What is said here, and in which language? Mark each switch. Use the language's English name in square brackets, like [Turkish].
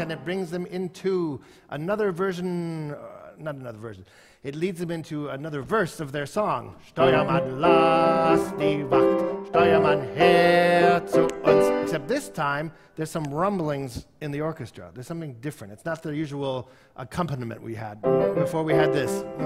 [English] And it brings them into another version, not another version, it leads them into another verse of their song. [German] Steuermann, lass die Wacht, Steuermann, her zu uns. [English] Except this time, there's some rumblings in the orchestra. There's something different. It's not the usual accompaniment we had. Before we had this.